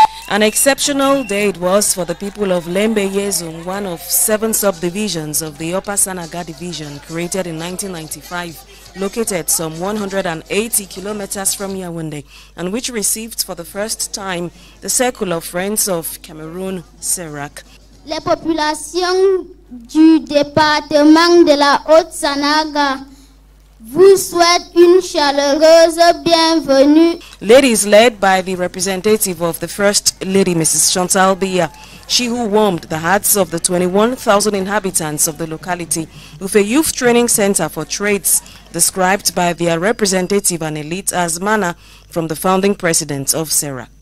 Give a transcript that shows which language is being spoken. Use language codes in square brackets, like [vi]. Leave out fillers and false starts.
[en] An exceptional day it was for the people of Lembe Yesoum, one of seven subdivisions of the Upper Sanaga Division created in 1995, located some 180 kilometers from Yaoundé, and which received for the first time the Circle of Friends of Cameroon, CERAC. [fr] Les populations du département de la Haute Sanaga vous souhaite une chaleureuse bienvenue. [en] Ladies led by the representative of the First Lady, Mrs. Chantal Bia, she who warmed the hearts of the 21,000 inhabitants of the locality with a youth training center for trades, described by their representative and elite as Mana from the founding president of CERAC.